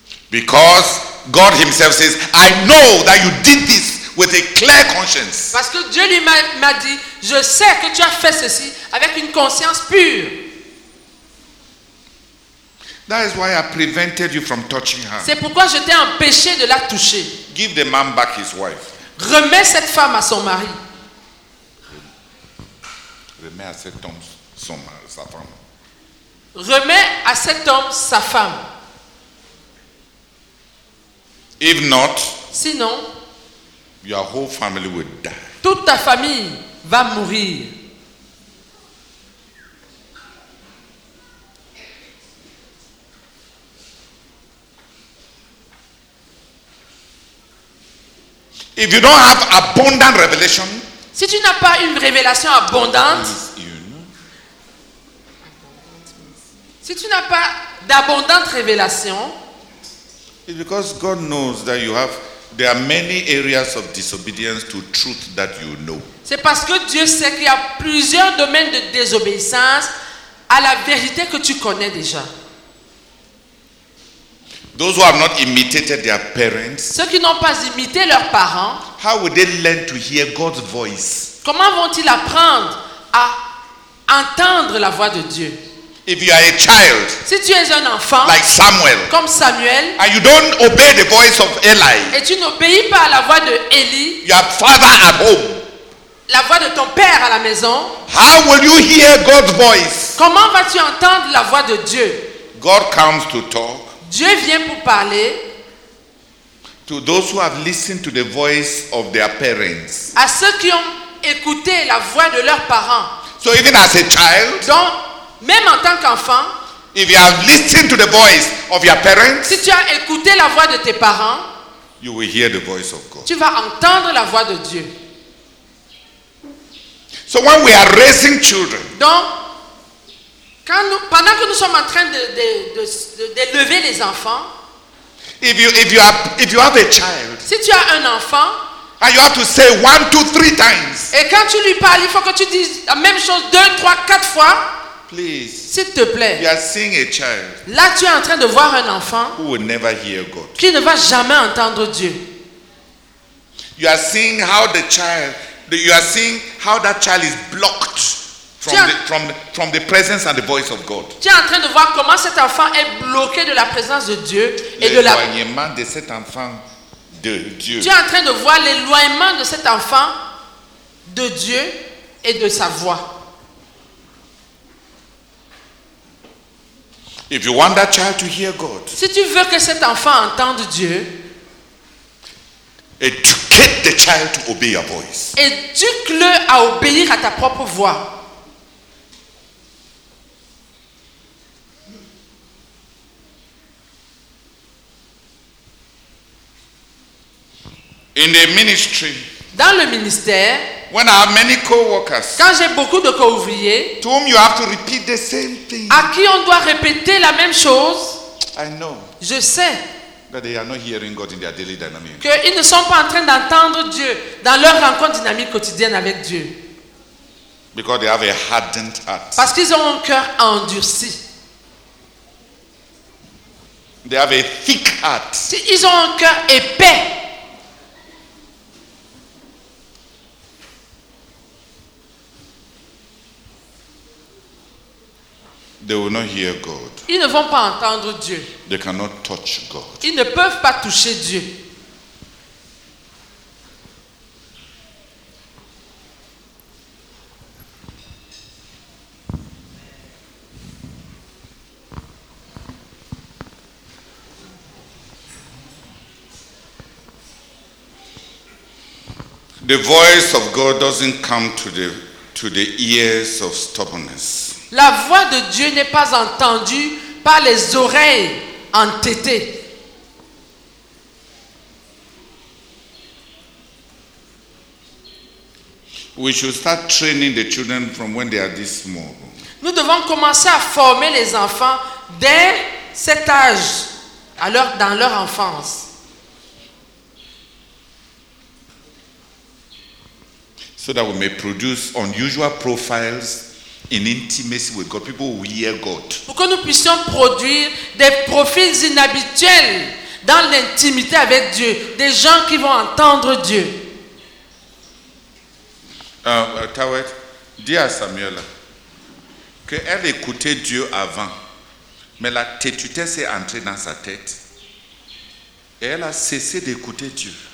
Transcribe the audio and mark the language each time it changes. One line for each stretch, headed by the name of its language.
English: Because God himself says, I know that you did this with a clear conscience.
French: Parce que Dieu lui m'a dit, je sais que tu as fait ceci avec une conscience pure.
English: That is why I prevented you from touching her.
French: C'est pourquoi je t'ai empêché de la toucher.
English: Give the man back his wife.
French: Remets cette femme à son mari. Remets à cet homme sa femme. Remets à cet homme sa femme.
English: If not,
French: sinon,
English: your whole family will die.
French: Toute ta famille va mourir.
English: If you don't have abundant revelation,
French: si tu n'as pas une révélation abondante, si tu n'as pas d'abondante révélation,
English: it's because God knows that you have. There are many areas of disobedience to truth that you know.
French: C'est parce que Dieu sait qu'il y a plusieurs domaines de désobéissance à la vérité que tu connais déjà.
English: Those who have not imitated their parents,
French: ceux qui n'ont pas imité leurs parents,
English: how would they learn to hear God's voice?
French: Comment vont-ils apprendre à entendre la voix de Dieu?
English: If you are a child,
French: si tu es un enfant,
English: like Samuel,
French: comme Samuel,
English: and you don't obey the voice of Eli,
French: et tu n'obéis pas à la voix de Eli,
English: your father at home,
French: la voix de ton père à la maison,
English: how will you hear God's voice?
French: Comment vas-tu entendre la voix de Dieu?
English: God comes to talk.
French: Dieu vient pour parler
English: to those who have listened to the voice of their parents.
French: À ceux qui ont écouté la voix de leurs parents.
English: So even as a child,
French: donc même en tant qu'enfant,
English: if you have listened to the voice of your parents,
French: si tu as écouté la voix de tes parents,
English: you will hear the voice of God.
French: Tu vas entendre la voix de Dieu.
English: So when we are raising children,
French: donc pendant que nous sommes en train d'élever les enfants, si tu as un enfant,
English: and you have to say one, two, three times,
French: et quand tu lui parles, il faut que tu dises la même chose deux, trois, quatre fois,
English: Please.
French: S'il te plaît.
English: You are seeing a child.
French: Là, tu es en train de voir un enfant.
English: Who will never hear God.
French: Qui ne va jamais entendre Dieu.
English: You are seeing how the child. You are seeing how that child is blocked from the presence and the voice of God.
French: Tu es en train de voir comment cet enfant est bloqué de la présence de Dieu et de la. L'éloignement de cet enfant de Dieu. Tu es en train de voir l'éloignement de cet enfant de Dieu et de sa voix.
English: If you want that child to hear God,
French: si tu veux que cet enfant entende Dieu,
English: educate the child to obey your voice.
French: Éduque-le à obéir à ta propre voix.
English: In the ministry,
French: dans le ministère,
English: when I have many co-workers,
French: quand j'ai beaucoup de co-ouvriers,
English: to whom you have to repeat the same thing,
French: à qui on doit répéter la même chose,
English: I know,
French: je sais,
English: that they are not hearing God in their daily dynamic,
French: que ils ne sont pas en train d'entendre Dieu dans leur rencontre dynamique quotidienne avec Dieu,
English: because they have a hardened heart,
French: parce qu'ils ont un cœur endurci,
English: they have a thick heart,
French: ils ont un cœur épais.
English: They will not hear God.
French: Ils ne vont pas entendre Dieu.
English: They cannot touch God.
French: Ils ne peuvent pas toucher Dieu.
English: The voice of God doesn't come to the ears of stubbornness.
French: La voix de Dieu n'est pas entendue par les oreilles entêtées.
English: We should start training the children from when they are this small.
French: Nous devons commencer à former les enfants dès cet âge, dans leur enfance.
English: So that we may produce unusual profiles. In intimacy with God, people will hear God.
French: Pour que nous puissions produire des profils inhabituels dans l'intimité avec Dieu, des gens qui vont entendre Dieu. Tawet, dis à Samuel qu'elle écoutait Dieu avant, mais la tétuité s'est entrée dans sa tête et elle a cessé d'écouter Dieu.